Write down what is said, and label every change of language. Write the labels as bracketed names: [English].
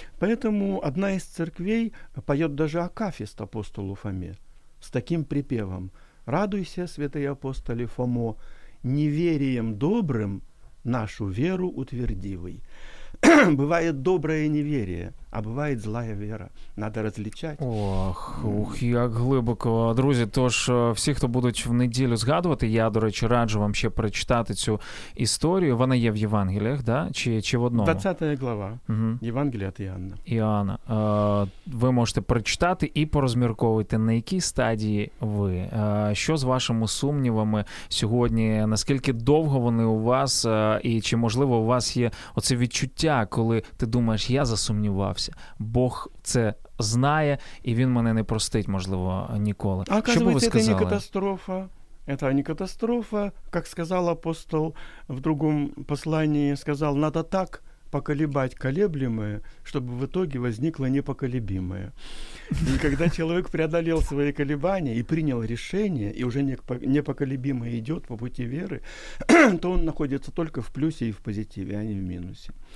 [Russian] Поэтому одна из церквей поет даже акафист апостолу Фоме с таким припевом. «Радуйся, святые апостоли Фомо, неверием добрым нашу веру утвердивый». Бывает доброе неверие, а бывает злая вера. Надо различать. [Ukrainian] Ох, як глибоко. Друзі, тож всі, хто будуть в неділю згадувати, я, до речі, раджу вам ще прочитати цю історію. Вона є в Євангеліях, да? Чи в одному? 20 глава. Угу. Євангелія від Іоанна. Іоанна. Ви можете прочитати і порозмірковувати, на якій стадії ви. Що з вашими сумнівами сьогодні? Наскільки довго вони у вас? І чи, можливо, у вас є оце відчуття, коли ти думаєш, я засумнівався. Бог це знає, і він мене не простить, можливо, ніколи. А, що б ви сказали? Це не катастрофа. [Russian] Это не катастрофа. Как сказал апостол в другом послании, сказал, надо так поколебать колеблемое, чтобы в итоге возникло непоколебимое. И когда человек преодолел свои колебания и принял решение, и уже непоколебимое идет по пути веры, то он находится только в плюсе и в позитиве, а не в минусе.